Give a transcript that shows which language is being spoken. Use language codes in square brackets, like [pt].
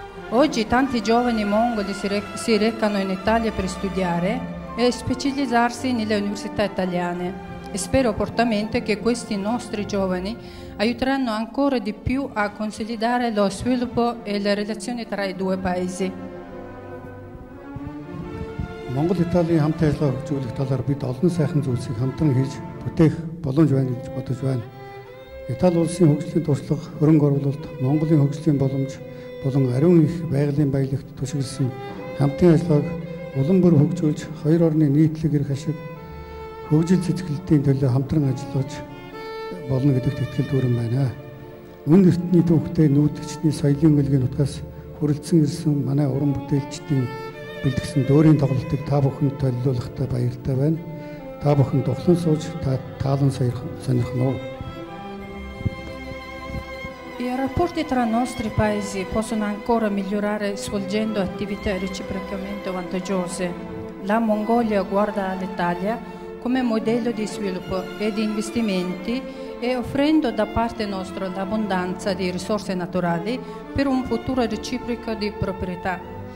[it] Oggi tanti giovani mongoli si recano in Italia per studiare e specializzarsi nelle università italiane. E spero fortemente che questi nostri giovani aiuteranno ancora di più a consolidare lo sviluppo e le relazioni tra i due paesi. [mn] Mongol-Italia хамтын ажиллагаа хөгжүүлэх талаар бид олон сайхан зүйлсийг хамтран хийж бүтээх боломж байна гэж бодож байна. Итали улсын хөгжлийн туршлага, хөрөнгө оруулалт, Монголын хөгжлийн боломж болон ариун их байгалийн баялагт төшөглсөн хамтын ажиллагааг улам бүр хөгжүүлж, хоёр орны нийтлэг эрх ашиг хөгжил сэтгэлдээ төлөө хамтран ажиллаж болно гэдэгт итгэл дүүрэн байна. Үн ертөнцийн төвхтэй нүүдэлчний соёлын өлгийн утгаас хүрэлцэн ирсэн манай уран бүтээлчдийн бэлтгэсэн дөөрийн тоглолтыг та бүхэнд төлөөлөхдөө баяртай байна. Та бүхэн тоглон сууж таалан сонирхно. [it] I rapporti tra i nostri paesi possono ancora migliorare svolgendo attività reciprocamente vantaggiose. La Mongolia guarda l'Italia come modello di sviluppo e di investimenti e offrendo da parte nostra l'abbondanza di risorse naturali per un futuro reciproco di proprietà.